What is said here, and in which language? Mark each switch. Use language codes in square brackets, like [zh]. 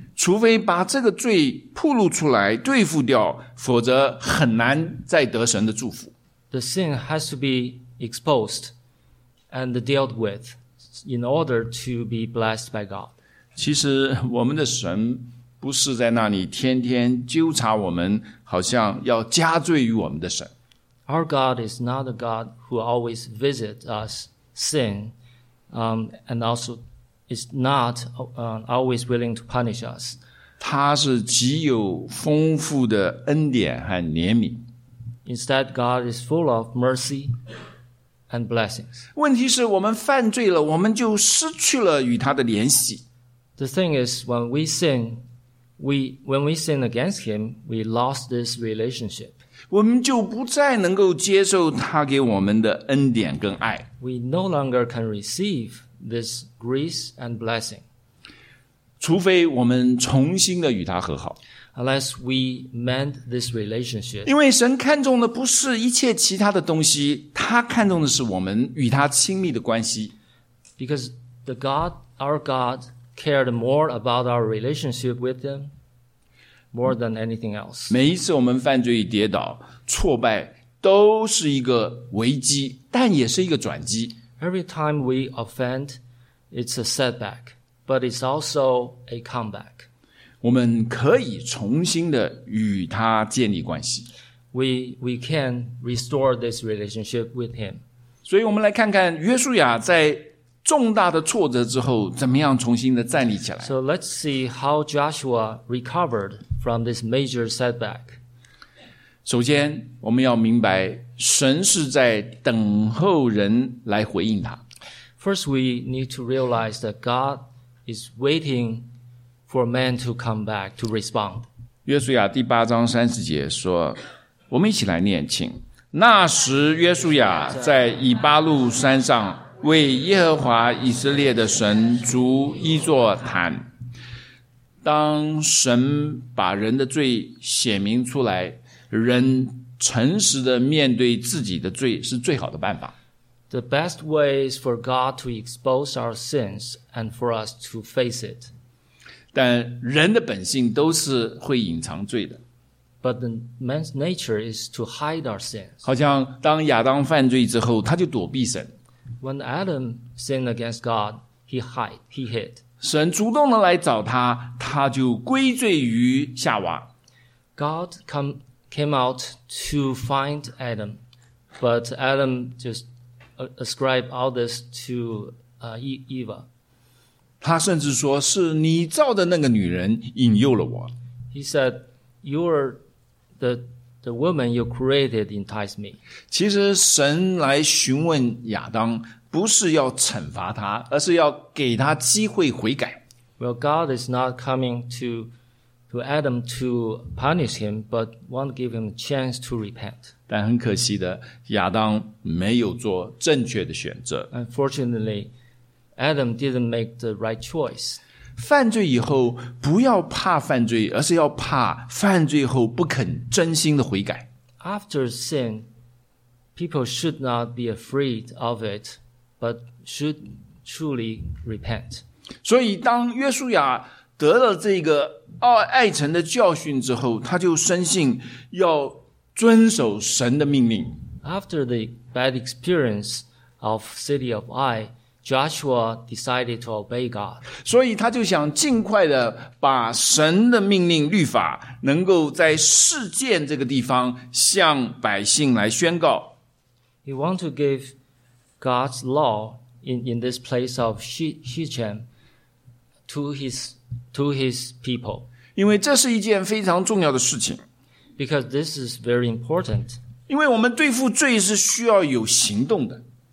[zh] 除非把这个罪暴露出来对付掉，否则很难再得神的祝福。 [en] The sin has to be exposed and dealt with. In order to be blessed by God. [zh] 其实我们的神不是在那里天天纠察我们，好像要加罪于我们的神。 [en] Our God is not a God who always visits us sin, and also is not always willing to punish us. [zh] 他是极有丰富的恩典和怜悯。 [en] Instead, God is full of mercy. And blessings. [zh] 问题是我们犯罪了，我们就失去了与他的联系。 [en] The thing is, when we sin against him, we lost this relationship. [zh] 我们就不再能够接受他给我们的恩典跟爱。 [en] We no longer can receive this grace and blessing. [zh] 除非我们重新的与他和好。 [en] Unless we mend this relationship. [zh] 因为神看重的不是一切其他的东西，他看重的是我们与他亲密的关系。 [en] Because our God cared more about our relationship with him more than anything else. [zh] 每一次我们犯罪跌倒挫败都是一个危机但也是一个转机。 [en] Every time we offend, it's a setback, but it's also a comeback. [zh] 我们可以重新的与他建立关系。 [en] We can restore this relationship with him. [zh] 所以我们来看看约书亚在重大的挫折之后怎么样重新的站立起来。 [en] So let's see how Joshua recovered from this major setback. [zh] 首先我们要明白神是在等候人来回应他。 [en] First, we need to realize that God is waiting for man to come back to respond. [zh] 约书亚第八章三十节说我们一起来念请。那时约书亚在以巴路山上为耶和华以色列的神筑一座坛。当神把人的罪显明出来人诚实的面对自己的罪是最好的办法。 [en] The best way is for God to expose our sins and for us to face it. [zh] 但人的本性都是会隐藏罪的。 [en] But the man's nature is to hide our sins. [zh] 好像当亚当犯罪之后他就躲避神。 [en] When Adam sinned against God, he hid. [zh] 神主动的来找他他就归罪于夏娃。 [en] God came out to find Adam, but Adam just ascribed all this to Eva. [zh] 他甚至说是你造的那个女人引诱了我。 [en] He said, you're the woman you created enticed me. [zh] 其实神来询问亚当不是要惩罚他而是要给他机会悔改。 [en] Well, God is not coming to Adam to punish him, but want to give him a chance to repent. [zh] 但很可惜的亚当没有做正确的选择。 [en] Unfortunately, Adam didn't make the right choice. [zh] 犯罪以后不要怕犯罪而是要怕犯罪后不肯真心的悔改。 [en] After sin, people should not be afraid of it. But should truly repent. [zh] 所以当约书亚得了这个爱城的教训之后他就深信要遵守神的命令。 [en] After the bad experience of city of Ai, Joshua decided to obey God. [zh] 所以他就想尽快的把神的命令律法能够在事件这个地方向百姓来宣告。 [en] He wanted to give God's law in this place of Shechem to his people. [zh] 因为这是一件非常重要的事情。 [en] Because this is very important. [zh] 因为我们对付罪是需要有行动的。